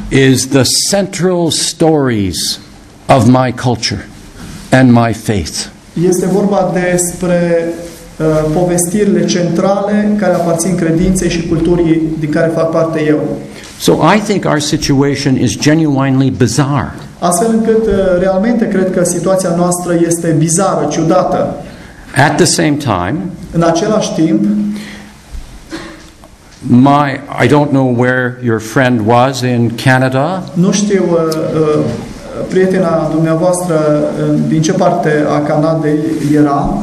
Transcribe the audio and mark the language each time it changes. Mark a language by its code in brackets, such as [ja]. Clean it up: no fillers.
[en] is the central stories of my culture and my faith. [ro] Este vorba despre povestirile centrale care aparțin credinței și culturii din care fac parte eu. [en] So I think our situation is genuinely bizarre. [ro] Astfel încât realmente cred că situația noastră este bizară, ciudată. [en] At the same time, [ro] în același timp, [en] I don't know where your friend was in Canada. [ro] Nu știu prietena dumneavoastră din ce parte a Canadei era.